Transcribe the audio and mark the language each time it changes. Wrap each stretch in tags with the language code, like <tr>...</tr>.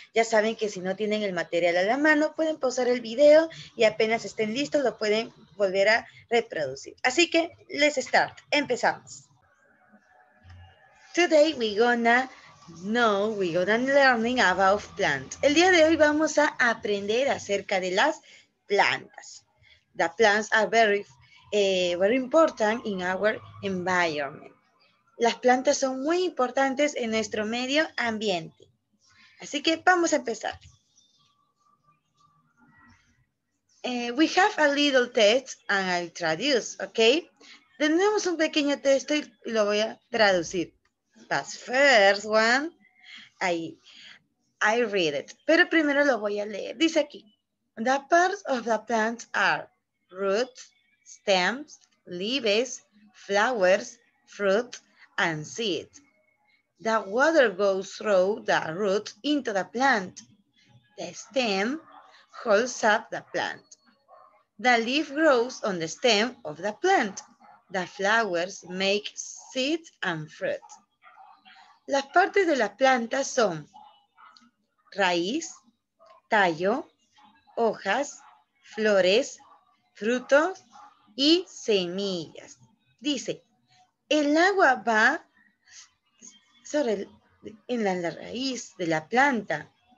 <es>Ya saben que si no tienen el material a la mano, pueden pausar el video y apenas estén listos lo pueden volver a reproducir. Así que,</es> <en>let's start,</en> <es>empezamos.</es> <en>Today we're gonna learn about plants.</en> <es>El día de hoy vamos a aprender acerca de las plantas.</es> <en>The plants are very important in our environment.</en> <es>Las plantas son muy importantes en nuestro medio ambiente. Así que vamos a empezar.</es> <en>We have a little text and I'll traduce, okay?</en> <es>Tenemos un pequeño texto y lo voy a traducir.</es> <en>But first one, I read it.</en> <es>Pero primero lo voy a leer. Dice aquí,</es> <en>the parts of the plants are roots, stems, leaves, flowers, fruit, and seeds. The water goes through the root into the plant. The stem holds up the plant. The leaf grows on the stem of the plant. The flowers make seeds and fruit.</en> <es>Las partes de la planta son raíz, tallo, hojas, flores, frutos y semillas. Dice, el agua va sobre en la raíz de la planta.</es>